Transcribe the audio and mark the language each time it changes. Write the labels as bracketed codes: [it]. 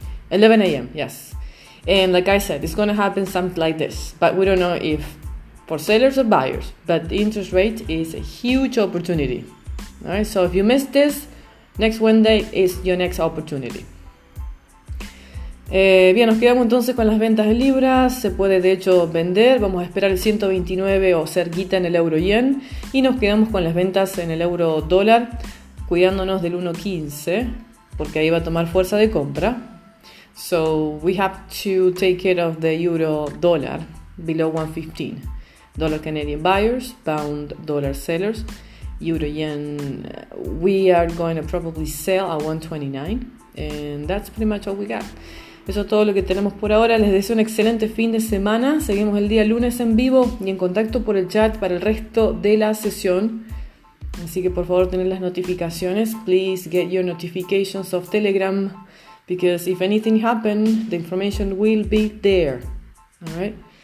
[en] 11 a.m., yes. And like I said, it's going to happen something like this. But we don't know if for sellers or buyers. But the interest rate is a huge opportunity. All right, so if you miss this, next Wednesday is your next opportunity. [es] Bien, nos quedamos entonces con las ventas en libras. Se puede, de hecho, vender. Vamos a esperar el 129 o cerquita en el euro yen. Y nos quedamos con las ventas en el euro dólar, cuidándonos del 1.15, porque ahí va a tomar fuerza de compra. [en] So we have to take care of the euro dollar below 1.15. Dollar Canadian buyers, pound dollar sellers, euro yen, we are going to probably sell at 1.29. And that's pretty much all we got. [es] Eso es todo lo que tenemos por ahora. Les deseo un excelente fin de semana. Seguimos el día lunes en vivo y en contacto por el chat para el resto de la sesión. Así que por favor tener las notificaciones. [en] Please get your notifications of Telegram, because if anything happens, the information will be there. All right.